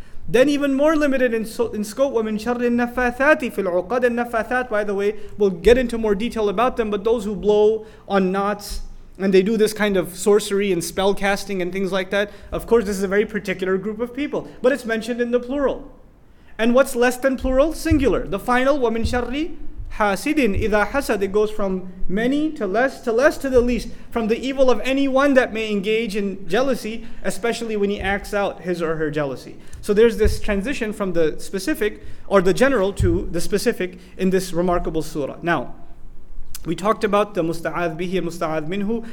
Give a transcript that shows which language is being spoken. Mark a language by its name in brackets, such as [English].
[English] Then even more limited in scope, [Arabic] وَمِنْ شَرِّ النَّفَّاثَاتِ فِي الْعُقَدِ. [English] النَّفَّاثَاتِ, by the way, we'll get into more detail about them, but those who blow on knots, and they do this kind of sorcery and spell casting and things like that, of course this is a very particular group of people. But it's mentioned in the plural. And what's less than plural? Singular. The final, [Arabic] وَمِنْ شَرِّ حَاسِدٍ إِذَا حَسَدٍ. [English] It goes from many to less to the least, from the evil of anyone that may engage in jealousy, especially when he acts out his or her jealousy. So there's this transition from the specific, or the general, to the specific in this remarkable surah. Now, we talked about the musta'ad bihi and musta'ad minhu.